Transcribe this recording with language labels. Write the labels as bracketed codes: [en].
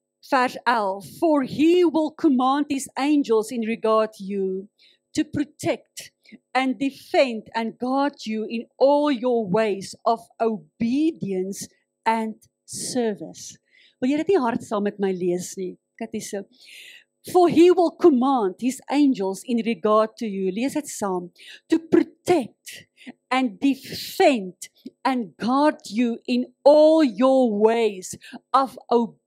[en] Vers 11, for he will command his angels in regard you to protect and defend and guard you in all your ways of obedience and service. [af] Wil jy dit nie hardsaam met my lees nie? Katiso. [en] For he will command his angels in regard to you, [af] lees het saam, [en] to protect and defend and guard you in all your ways of obedience.